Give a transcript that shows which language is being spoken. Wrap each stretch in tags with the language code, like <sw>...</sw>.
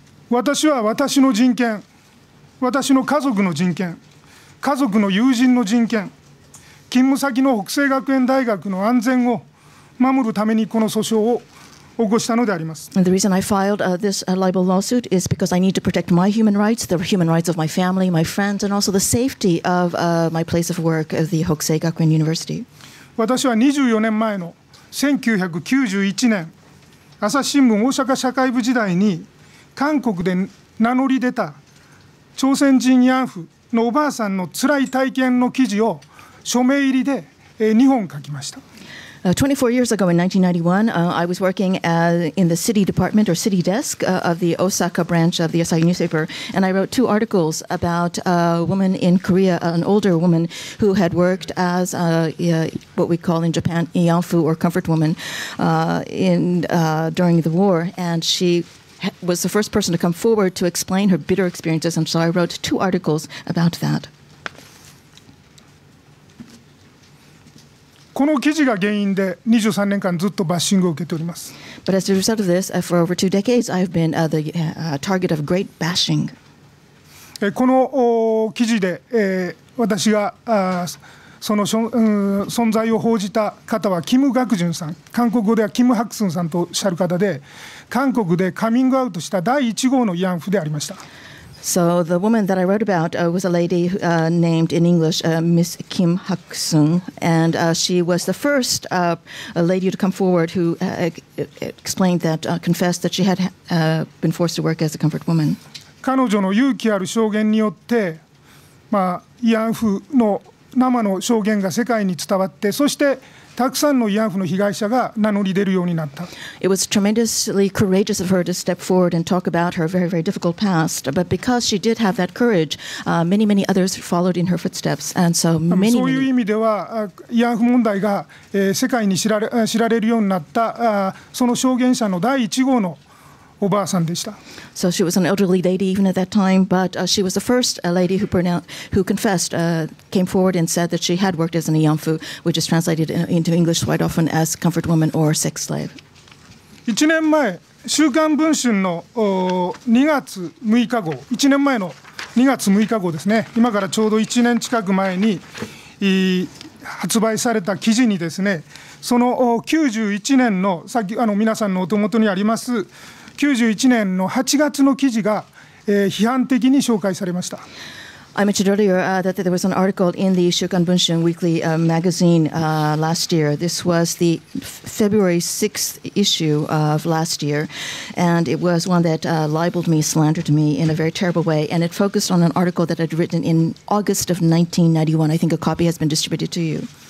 <ja>私は私の人権、私の家族の人権、家族の友人の人権、勤務先の北西学園大学の安全を守るためにこの訴訟を起こしたのであります。</ja> <en>And the reason I filed this libel lawsuit is because I need to protect my human rights, the human rights of my family, my friends, and also the safety of my place of work, the Hokusei Gakuin University.</en> <ja>私は24年前の1991年、朝日新聞大阪社会部時代に韓国で名乗り出た朝鮮人慰安婦のおばあさんの辛い体験の記事を署名入りで2本書きました。</ja> <en>24 years ago in 1991, I was working in the city department or city desk of the Osaka branch of the SIU newspaper, and I wrote two articles about a woman in Korea, an older woman who had worked as what we call in Japan, Iyanfu or comfort woman during the war. And she was the first person to come forward to explain her bitter experiences, and so I wrote two articles about that.</en> <ja>この記事が原因で23年間ずっとバッシングを受けております。</ja> <en>But as a result of this, for over two decades, I've been the target of great bashing.</en> <ja>この記事で私がその存在を報じた方はキム・ガクジュンさん、韓国語ではキム・ハクスンさんとおっしゃる方で、韓国でカミングアウトした第一号の慰安婦でありました。</ja> <en>So the woman that I wrote about was a lady named in English Miss Kim Hak-sung, and she was the first lady to come forward who explained that, confessed that she had been forced to work as a comfort woman.</en> <ja>彼女の勇気ある証言によって、まあ、慰安婦の生の証言が世界に伝わって、そしてたくさんの慰安婦の被害者が名乗り出るようになった。</ja> <en>It was tremendously courageous of her to step forward and talk about her very, very difficult past. But because she did have that courage, many, many others followed in her footsteps. And so many,</en> <ja>そういう意味では、慰安婦問題が世界に知られるようになった、その証言者の第一号のおばあさんでした。</ja> <en>So she was an elderly lady even at that time, but she was the first lady who confessed, came forward and said that she had worked as an 慰安婦, which is translated into English quite often as comfort woman or sex slave.</en> <ja>1年前、週刊文春の2月6日号、1年前の2月6日号ですね。今からちょうど1年近く前に発売された記事にですね、その91年の、さっき皆さんのお手元にあります91年の8月の記事が、批判的に紹介されました。</ja> <en>I mentioned earlier that there was an article in the 週刊文春 weekly magazine last year. This was the February 6th issue of last year, and it was one that libeled me, slandered me in a very terrible way, and it focused on an article that I'd written in August of 1991. I think a copy has been distributed to you.</en>